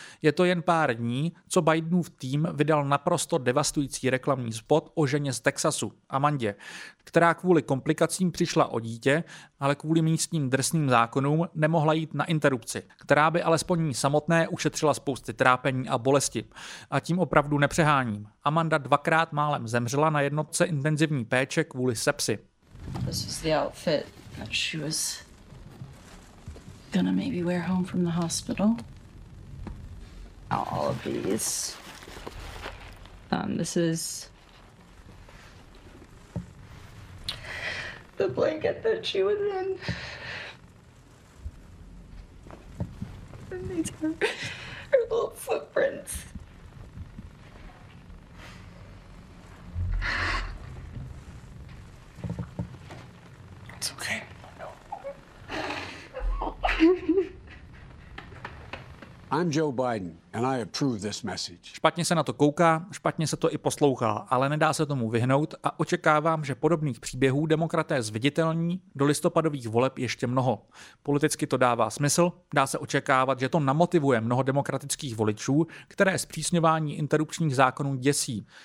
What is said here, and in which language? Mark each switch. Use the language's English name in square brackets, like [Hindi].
[Czech] Je to jen pár dní, co Bidenův tým vydal naprosto devastující reklamní spot o ženě z Texasu, Amandě, která kvůli komplikacím přišla o dítě, ale kvůli místním drsným zákonům nemohla jít na interrupci, která by alespoň jí samotné ušetřila spousty trápení a bolesti. A tím opravdu nepřeháním. Amanda dvakrát málem zemřela na jednotce intenzivní péče kvůli sepsi. [English] This is the outfit that she was gonna maybe wear home from the hospital. All of these. This is the blanket that she was in. And these are her little footprints. I'm Joe Biden and I approve this message. [Czech] Špatně se na to kouká, špatně se to i poslouchá, ale nedá se tomu vyhnout a očekávám, že podobných příběhů demokraté zviditelní do listopadových voleb ještě mnoho. Politicky to dává smysl, dá se očekávat, že to namotivuje mnoho demokratických voličů, které zpřísňování interrupčních zákonů děsí.